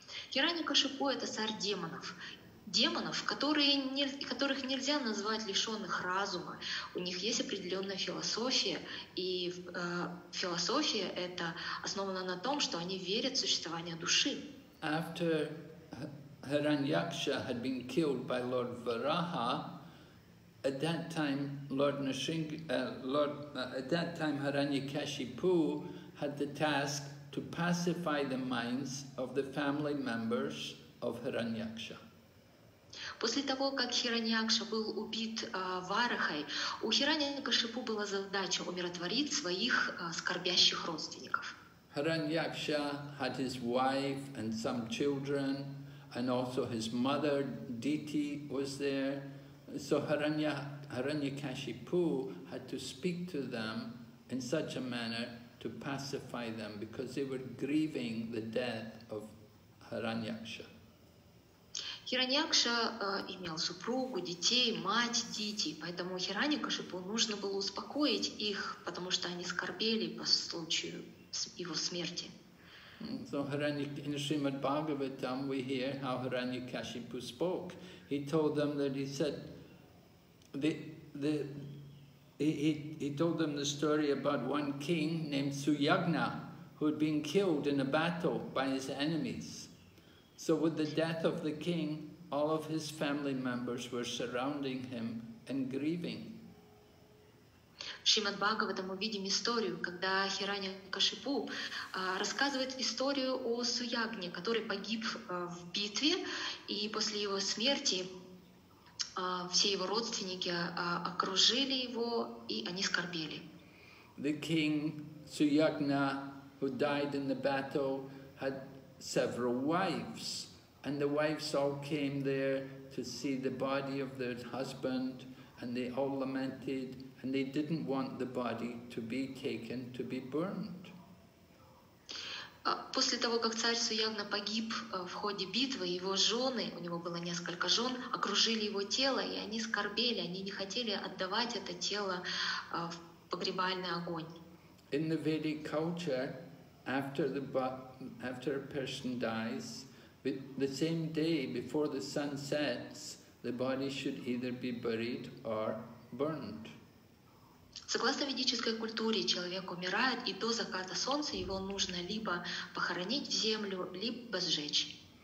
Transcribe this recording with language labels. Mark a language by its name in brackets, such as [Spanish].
[Russian] Хиранякашипу — это царь демонов. демонов, которых нельзя назвать лишенных разума. У них есть определенная философия, и философия эта основана на том, что они верят в существование души. [English] After Hiranyaksha had been killed by Lord Varaha, at that time Hiranyakashipu had the task to pacify the minds of the family members of Hiranyaksha. [Russian] После того, как Хираньякша был убит Варахой, у Хираньякашипу была задача умиротворить своих скорбящих родственников. [English] Hiranyaksha had his wife and some children, and also his mother Diti was there. So Hiranyakashipu had to speak to them in such a manner to pacify them, because they were grieving the death of Hiranyaksha. [Russian] Хираньякша имел супругу, детей, мать, Дити, поэтому Хираньякашипу нужно было успокоить их, потому что они скорбели по случаю его смерти. [English] So in Srimad Bhagavatam we hear how Hiranyakashipu spoke. He told them that he said he told them the story about one king named Suyagna who had been killed in a battle by his enemies. So with the death of the king, all of his family members were surrounding him and grieving. [Russian] Шримад Бхагаватам мы видим историю, когда Хиранья-Кашипу рассказывает историю о Суягне, который погиб в битве, и после его смерти все его родственники окружили его, и они скорбели. [English] The king Suyagna, who died in the battle, had several wives, and the wives all came there to see the body of their husband, and they all lamented, and they didn't want the body to be taken, to be burned. [Russian] После того, как царь Суягна погиб в ходе битвы, его жены, у него было несколько жен, окружили его тело, и они скорбели, они не хотели отдавать это тело в погребальный огонь. [English] In the Vedic culture, after a person dies, the same day before the sun sets, the body should either be buried or burned. [Russian] Согласно ведической культуре, человек умирает, и до заката солнца его нужно либо похоронить в землю, либо сжечь.